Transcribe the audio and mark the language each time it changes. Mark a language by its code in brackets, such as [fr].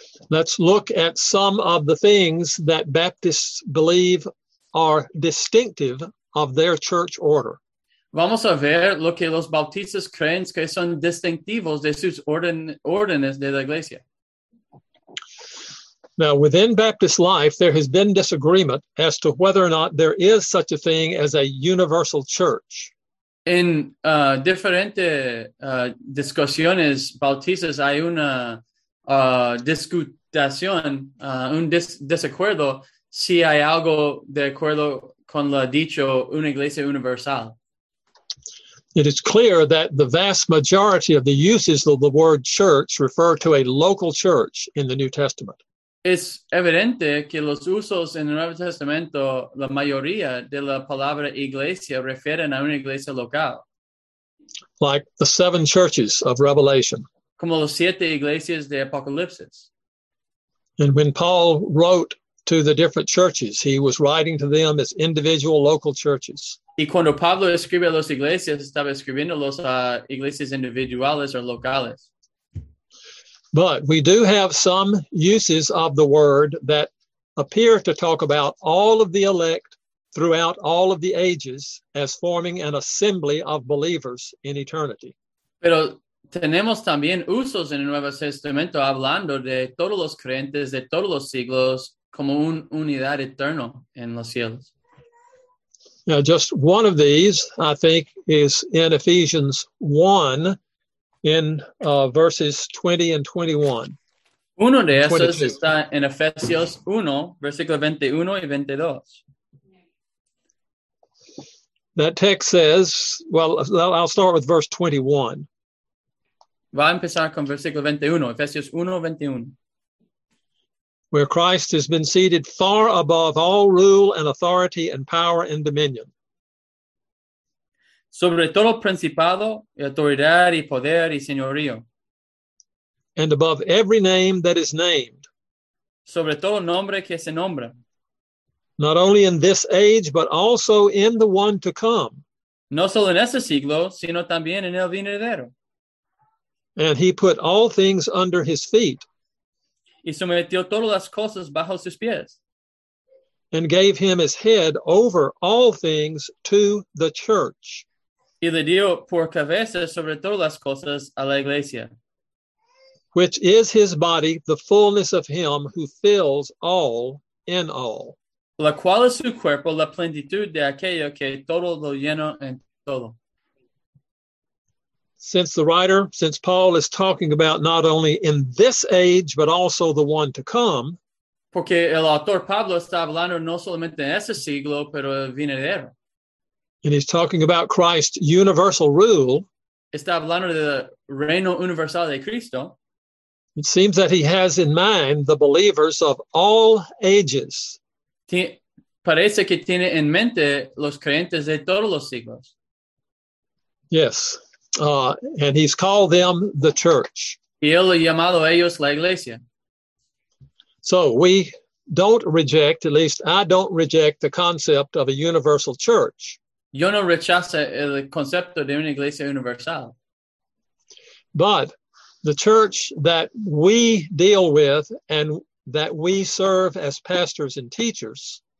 [en] let's look at some of the things that Baptists believe are distinctive of their church order. [es] Vamos a ver lo que los bautistas creen que son distintivos de sus órdenes de la iglesia. [en] Now, within Baptist life, there has been disagreement as to whether or not there is such a thing as a universal church. [es] En diferentes discusiones bautistas hay una discusión, un desacuerdo si hay algo de acuerdo con lo dicho una iglesia universal. [en] It is clear that the vast majority of the uses of the word church refer to a local church in the New Testament. [es] Es evidente que los usos en el Nuevo Testamento, la mayoría de la palabra iglesia refieren a una iglesia local. [en] Like the seven churches of Revelation. [es] Como las siete iglesias de Apocalipsis. [en] And when Paul wrote to the different churches, he was writing to them as individual local churches. [es] Y cuando Pablo escribe a las iglesias, estaba escribiéndolos a iglesias individuales o locales. [en] But we do have some uses of the word that appear to talk about all of the elect throughout all of the ages as forming an assembly of believers in eternity. [es] Pero tenemos también usos en el Nuevo Testamento hablando de todos los creyentes de todos los siglos como una unidad eterna en los cielos. [en] Now, just one of these, I think, is in Ephesians 1, in verses 20 and 21. [es] Uno de esos 22. Está en Efesios 1, versículo 21 y 22. [en] That text says, well, I'll start with verse 21. [es] Va a empezar con versículo 21, Efesios 1, 21. [en] Where Christ has been seated far above all rule and authority and power and dominion. [es] Sobre todo principado, autoridad y poder y señorío. [en] And above every name that is named. [es] Sobre todo nombre que se nombra. [en] Not only in this age, but also in the one to come. [es] No solo en ese siglo, sino también en el venidero. [en] And he put all things under his feet. [es] Y sometió todas las cosas bajo sus pies. [en] And gave him his head over all things to the church. [es] Y le dio por cabeza sobre todas las cosas a la iglesia. [en] Which is his body, the fullness of him who fills all in all. [es] La cual es su cuerpo, la plenitud de aquello que todo lo lleno en todo. [en] Since Paul is talking about not only in this age, but also the one to come. [es] Porque el autor Pablo está hablando no solamente en ese siglo, pero el venidero. [en] And he's talking about Christ's universal rule. [es] Está hablando del reino universal de Cristo. [en] It seems that he has in mind the believers of all ages. [es] Parece que tiene en mente los creyentes de todos los siglos. [en] Yes. And he's called them the church. [es] Y él ha llamado a ellos la iglesia. [en] So we don't reject, at least I don't reject, the concept of a universal church. [es] Yo no rechazo el concepto de una iglesia universal. [en] But the church that we deal with and that we serve as pastors and teachers.